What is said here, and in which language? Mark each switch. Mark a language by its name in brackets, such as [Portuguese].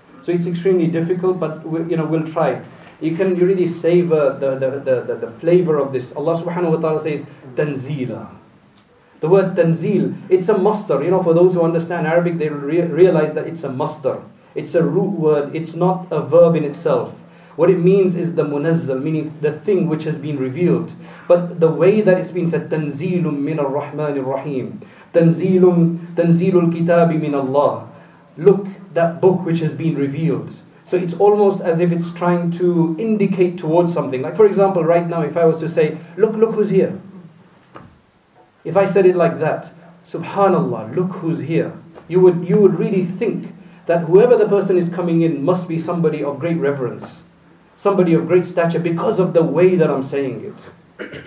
[English] So it's extremely difficult, but we'll try. You really savor the flavor of this. Allah subhanahu wa ta'ala says, Tanzila. The word Tanzil, it's a mustar. You know, for those who understand Arabic, they realize that it's a mustar. It's a root word. It's not a verb in itself. What it means is the munazzal, meaning the thing which has been revealed. But the way that it's been said, [Arabic] تَنْزِيلٌ مِّنَ الرَّحْمَنِ الرَّحِيمِ تَنْزِيلُ الْكِتَابِ مِّنَ اللَّهِ. [English] Look, that book which has been revealed. So it's almost as if it's trying to indicate towards something. Like for example, right now, if I was to say, look who's here. If I said it like that, Subhanallah, look who's here. You would really think that whoever the person is coming in must be somebody of great reverence, somebody of great stature because of the way that I'm saying it.